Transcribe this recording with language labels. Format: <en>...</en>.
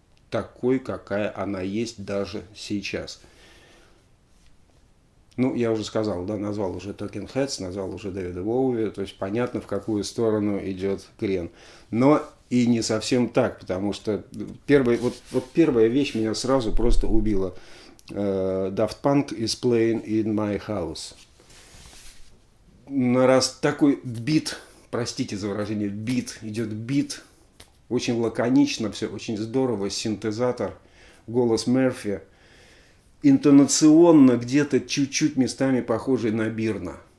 <ru>Такой, какая она есть даже сейчас. Ну, я уже сказал, да, назвал уже Talking Heads, назвал уже Дэвида Боуи. То есть понятно, в какую сторону идет крен. Но и не совсем так, потому что первая вещь меня сразу просто убила.</ru> <en>Daft Punk is playing in my house.</en> <ru>На раз такой бит, простите за выражение, бит, идет бит. Очень лаконично все, очень здорово, синтезатор, голос Мерфи. Интонационно где-то чуть-чуть местами похожий на Бирна.</ru>